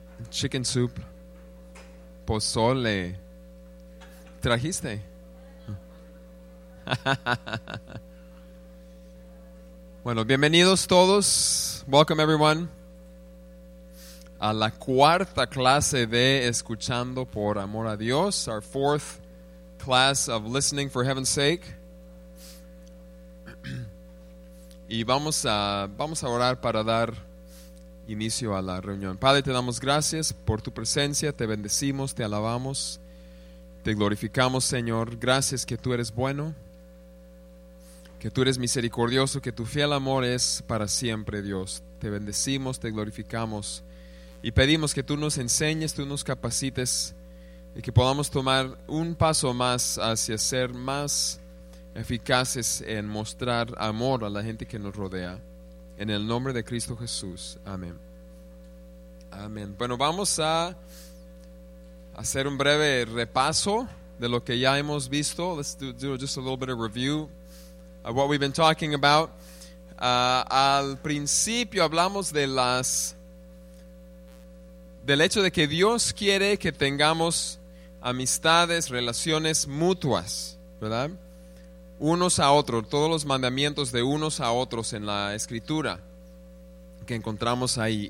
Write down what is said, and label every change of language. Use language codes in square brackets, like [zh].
[en] Chicken soup. [es] Pozole. ¿Trajiste? Bueno, bienvenidos todos. [en] Welcome everyone. [es] A la cuarta clase de Escuchando por Amor a Dios. [en] Our fourth class of Listening for Heaven's Sake. [es] Y vamos a orar para dar inicio a la reunión. Padre, te damos gracias por tu presencia, te bendecimos, te alabamos, te glorificamos, Señor. Gracias que tú eres bueno, que tú eres misericordioso, que tu fiel amor es para siempre, Dios. Te bendecimos, te glorificamos y pedimos que tú nos enseñes, tú nos capacites y que podamos tomar un paso más hacia ser más eficaces en mostrar amor a la gente que nos rodea. En el nombre de Cristo Jesús. Amén. Amén. Bueno, vamos a hacer un breve repaso de lo que ya hemos visto. [en] Let's do just a little bit of review of what we've been talking about. [es] Al principio hablamos del hecho de que Dios quiere que tengamos amistades, relaciones mutuas, ¿verdad? Unos a otros, todos los mandamientos de unos a otros en la escritura que encontramos ahí.